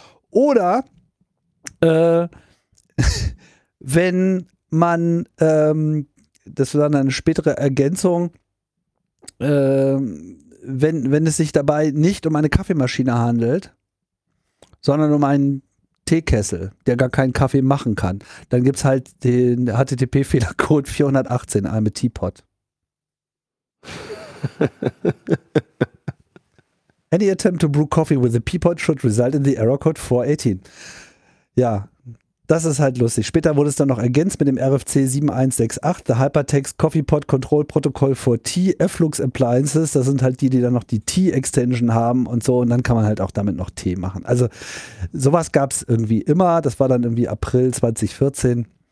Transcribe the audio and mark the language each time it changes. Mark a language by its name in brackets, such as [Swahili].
[German] Oder wenn man, das war dann eine spätere Ergänzung, wenn es sich dabei nicht um eine Kaffeemaschine handelt, sondern um einen Teekessel, der gar keinen Kaffee machen kann, dann gibt es halt den HTTP-Fehlercode 418, einem Teapot. [English] Any attempt to brew coffee with a peapod should result in the error code 418. [German] Ja, das ist halt lustig. Später wurde es dann noch ergänzt mit dem RFC 7168, the Hypertext Coffee Pot Control Protocol for T-Efflux Appliances. Das sind halt die, die dann noch die T-Extension haben und so. Und dann kann man halt auch damit noch Tee machen. Also sowas gab es irgendwie immer. Das war dann irgendwie April 2014.